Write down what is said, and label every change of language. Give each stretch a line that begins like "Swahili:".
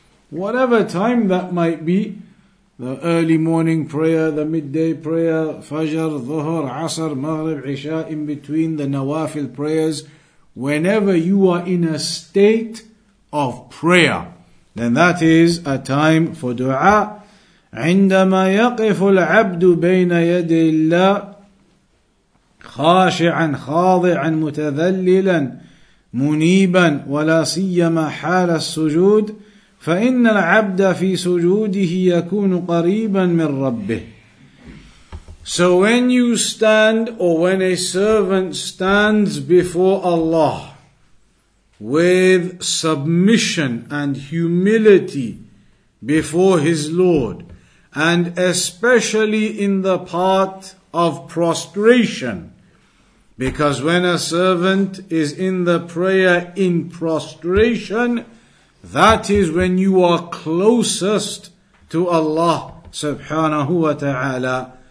English: whatever time that might be, the early morning prayer, the midday prayer, fajr, dhuhr, asr, maghrib, isha, in between the nawafil prayers, whenever you are in a state of prayer, then that is a time for dua.
Arabic: عندما يقف العبد بين يدي الله خاشعا خاضعا متذللا منيبا ولا سيما حال السجود فإن العبد في سجوده يكون قريبا من ربه.
English: So when you stand, or when a servant stands before Allah with submission and humility before his Lord, and especially in the part of prostration, because when a servant is in the prayer in prostration, that is when you are closest to Allah subhanahu wa ta'ala.